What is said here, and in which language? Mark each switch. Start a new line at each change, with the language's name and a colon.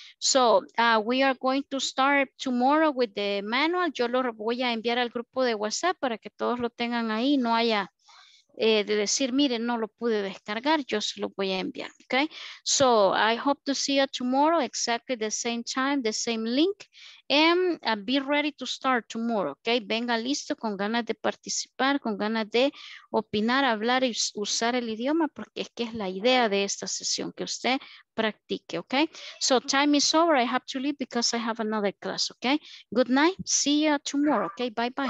English: So, we are going to start tomorrow with the manual.
Spanish: Yo lo voy a enviar al grupo de WhatsApp para que todos lo tengan ahí. No haya de decir, miren, no lo pude descargar. Yo se lo voy a enviar, ok.
English: So, I hope to see you tomorrow, exactly the same time, the same link. And be ready to start tomorrow, ok.
Spanish: Venga listo, con ganas de participar, con ganas de opinar, hablar y usar el idioma, porque es que es la idea de esta sesión, que usted practique, ok.
English: So time is over, I have to leave because I have another class, ok. Good night, see you tomorrow, ok. Bye bye.